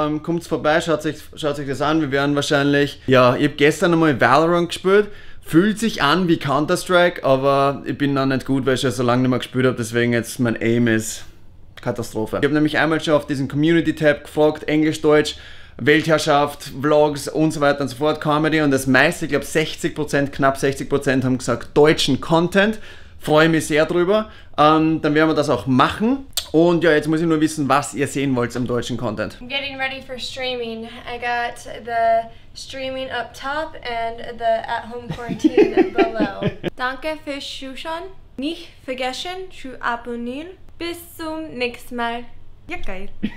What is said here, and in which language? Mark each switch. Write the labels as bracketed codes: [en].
[de] Kommt vorbei, schaut sich das an, wir werden wahrscheinlich... Ja, ich habe gestern einmal Valorant gespielt, fühlt sich an wie Counter-Strike, aber ich bin noch nicht gut, weil ich schon so lange nicht mehr gespielt habe, deswegen jetzt mein Aim ist Katastrophe. Ich habe nämlich einmal schon auf diesen Community-Tab gefragt, Englisch-Deutsch, Weltherrschaft, Vlogs und so weiter und so fort, Comedy und das meiste, ich glaube 60%, knapp 60% haben gesagt deutschen Content. Freue mich sehr drüber, dann werden wir das auch machen. Und ja, jetzt muss ich nur wissen, was ihr sehen wollt im deutschen Content. [en] I'm getting ready for streaming. I got the streaming up top and the at-home quarantine below. [de] Danke fürs Zuschauen. Nicht vergessen zu abonnieren. Bis zum nächsten Mal. Ja, geil.